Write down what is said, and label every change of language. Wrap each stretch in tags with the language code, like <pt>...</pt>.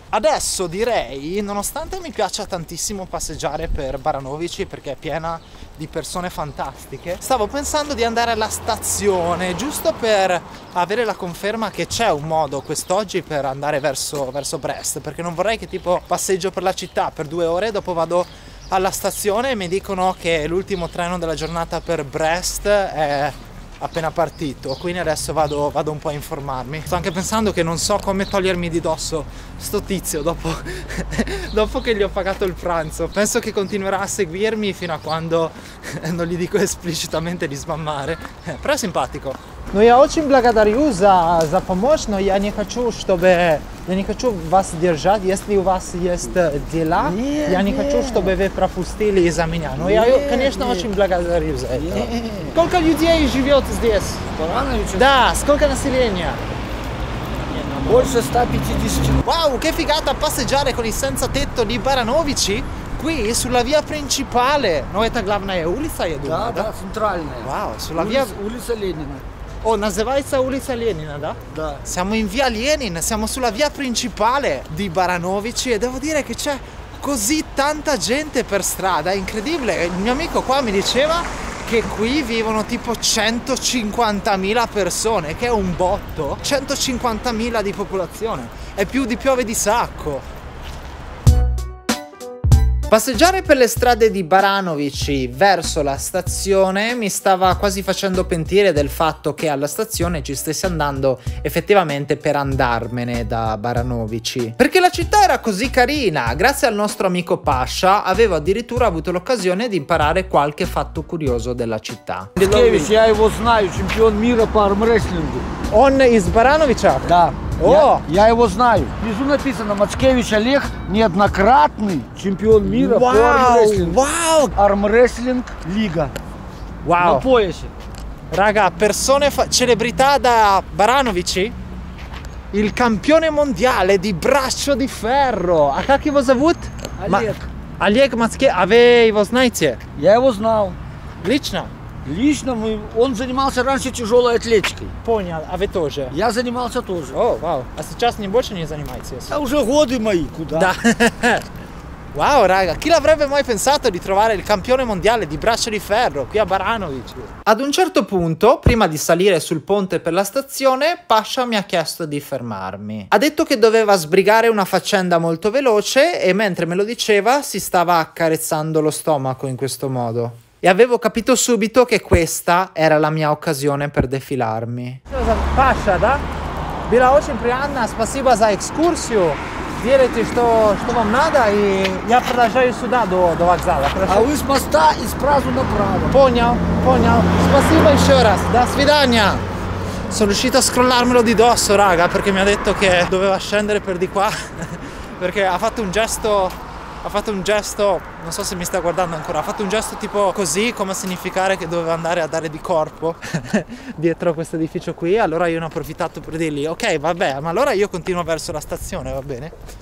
<it>Adesso direi, nonostante mi piaccia tantissimo passeggiare per Baranovici perché è piena di persone fantastiche, stavo pensando di andare alla stazione giusto per avere la conferma che c'è un modo quest'oggi per andare verso Brest, perché non vorrei che tipo passeggio per la città per due ore e dopo vado alla stazione e mi dicono che l'ultimo treno della giornata per Brest è appena partito, quindi adesso vado un po' a informarmi. Sto anche pensando che non so come togliermi di dosso sto tizio dopo che gli ho pagato il pranzo. Penso che continuerà a seguirmi fino a quando non gli dico esplicitamente di sbammare, però è simpatico.</it> <ru>Ну я очень благодарю за помощь, но я не хочу, чтобы я не хочу вас держать. Если у вас есть дела, нет, я не хочу, чтобы вы пропустили из-за меня. Но нет, я, конечно, нет. Очень благодарю за это. Нет. Сколько людей живет здесь? Баранович? Да, сколько населения? Больше 150.</ru> <it>Вау, che figata passeggiare con il senza tetto di Baranovici? Qui sulla via principale.</it> <ru>Но это главная улица, я думаю. Да, центральная.</ru> <it>Вау, sulla via</it> <ru>улица Ленина. Oh, называется улица Ленина, да? Да.</ru> <it>Siamo in via Lenin, siamo sulla via principale di Baranovici e devo dire che c'è così tanta gente per strada, è incredibile. Il mio amico qua mi diceva che qui vivono tipo 150.000 persone, che è un botto. 150.000 di popolazione, è più di Piove di Sacco. Passeggiare per le strade di Baranovici verso la stazione mi stava quasi facendo pentire del fatto che alla stazione ci stessi andando effettivamente per andarmene da Baranovici. Perché la città era così carina, grazie al nostro amico Pascia avevo addirittura avuto l'occasione di imparare qualche fatto curioso della città.</it> <ru>Skevich, я его знаю, чемпион мира по армрестлингу. Он из Барановича? Да. О, я его знаю. Внизу написано: Мацкевич Олег неоднократный чемпион мира по армрестлингу. Вау! Армрестлинг лига. Вау. На поясе.</ru> <it>Рага, персоне celebrità da Барановичи. Il campione mondiale di braccio di ferro.</it> <ru>А как его зовут? Олег. Олег Мацкевич, а вы его знаете? Я его знал. Лично? Лично мы. Он занимался раньше тяжелой атлетикой. Понял, а вы тоже? Я занимался тоже. О, вау. А сейчас не больше не занимаетесь? А уже годы мои, куда? Да.</ru> <it>Вау, рага, chi l'avrebbe mai pensato di trovare il campione mondiale di braccio di ferro qui a Baranovici? Ad un certo punto, prima di salire sul ponte per la stazione, Pascia mi ha chiesto di fermarmi. Ha detto che doveva sbrigare una faccenda molto veloce e mentre me lo diceva si stava accarezzando lo stomaco in questo modo. E avevo capito subito che questa era la mia occasione per defilarmi.</it> <ru>Pascia, da? Bila очень приятно, спасибо за экскурсию. Верите, что вам надо, и я продолжаю сюда до вокзала. А вы с моста и сразу направо. Понял. Спасибо еще раз. До свидания.</ru> <it>Sono riuscito a scrollarmelo di dosso, raga, perché mi ha detto che doveva scendere per di qua. Perché ha fatto un gesto, non so se mi sta guardando ancora, ha fatto un gesto tipo così, come significare che doveva andare a dare di corpo dietro questo edificio qui, allora io ne ho approfittato per dirgli, ok, vabbè, ma allora io continuo verso la stazione, va bene?</it>